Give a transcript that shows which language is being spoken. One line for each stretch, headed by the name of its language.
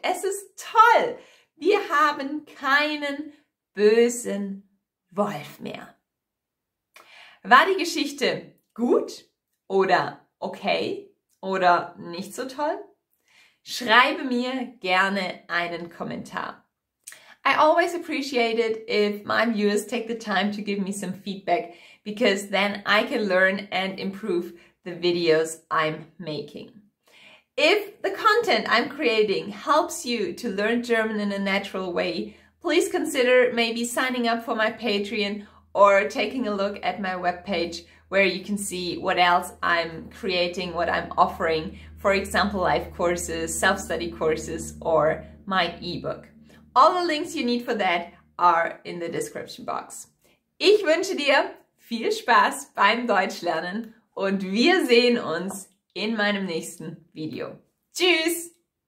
German: Es ist toll! Wir haben keinen bösen Wolf mehr. War die Geschichte gut oder okay oder nicht so toll? Schreibe mir gerne einen Kommentar.
English: I always appreciate it if my viewers take the time to give me some feedback, because then I can learn and improve the videos I'm making. If the content I'm creating helps you to learn German in a natural way, please consider maybe signing up for my Patreon or taking a look at my webpage, where you can see what else I'm creating, what I'm offering. For example, live courses, self-study courses, or my ebook. All the links you need for that are in the description box.
German: Ich wünsche dir viel Spaß beim Deutschlernen und wir sehen uns in meinem nächsten Video. Tschüss!